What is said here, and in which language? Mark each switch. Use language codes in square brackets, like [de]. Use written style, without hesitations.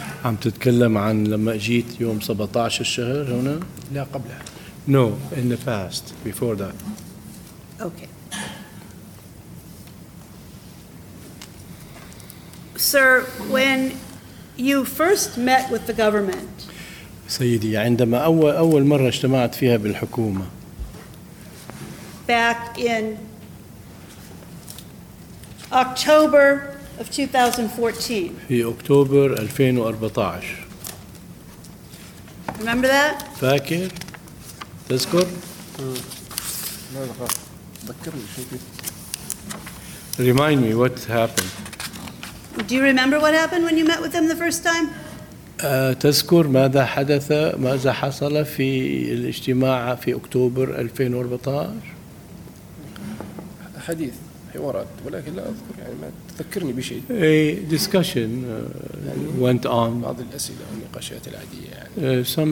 [ar] عم تتكلم عن لما جيت يوم 17 الشهر هنا؟ لا قبلها. [en] No, in the past, before that. Okay. Sir, when you first met with the government, [ar] سيدي عندما أول مرة اجتمعت فيها بالحكومة. [en] Back in October of 2014. [ar] في أكتوبر 2014. [en] Remember that? [ar] فاكر؟ تذكر؟ لا لا ذكرني شو كيف. [en] Remind me what happened. Do you remember what happened when you met with them the first time? [ar] تذكر ماذا حدث ماذا حصل في الاجتماع في أكتوبر 2014 حديث حوارات ولكن لا أذكر يعني ما تذكرني بشيء [en] a discussion went on [ar] بعض الأسئلة والنقاشات العادية يعني